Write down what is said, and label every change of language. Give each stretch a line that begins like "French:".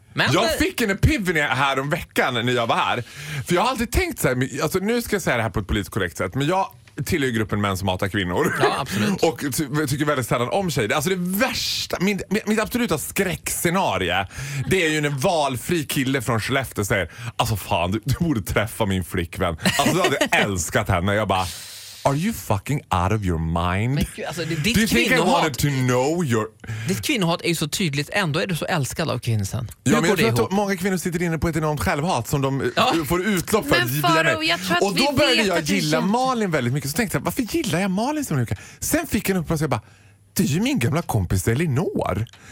Swedish: Men jag fick en epiphany här om veckan när jag var här. För jag har alltid tänkt så här, alltså nu ska jag säga det här på ett politiskt korrekt sätt, men jag tillhör gruppen män som hatar kvinnor. Ja, absolut. Och tycker väldigt sällan om tjejer. Alltså det värsta, mitt absoluta skräckscenario, det är ju när valfri kille från Skellefteå säger, alltså fan, du borde träffa min flickvän. Alltså jag hade älskat henne. Jag bara,
English: are you fucking out of your mind?
Swedish: Men, alltså,
English: do you think I wanted to know your...
Swedish: Ditt kvinnohat är ju så tydligt. Ändå är du så älskad av kvinnan. Ja, men jag tror att många kvinnor sitter inne på ett enormt självhat som de får utlopp för. Och då började jag gilla Malin väldigt mycket. Så tänkte jag, varför gillar jag Malin så mycket? Sen fick jag en upplevelse och jag bara, det är ju min gamla kompis Elinor.